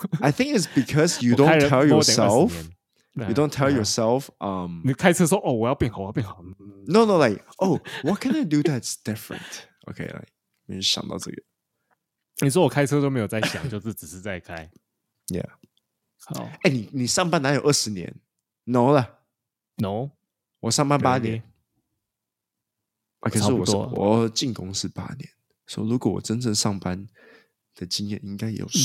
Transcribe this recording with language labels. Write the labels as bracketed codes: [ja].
[en] I think it's because you don't tell yourself. You don't tell yourself. [zh] 你开车说哦，我要变好，我要变好。 [en] No, no, like, oh, what can I do that's different? Okay, like, [zh] 没想到这个。你说我开车都没有在想，就是只是在开。 [en] Yeah. [zh] 好。哎，你上班哪有20年 ？ [en] No [zh] 了。 [en] No， [zh] 我上班八年。啊，可是我进公司八年，所以如果我真正上班的经验，应该也有十年。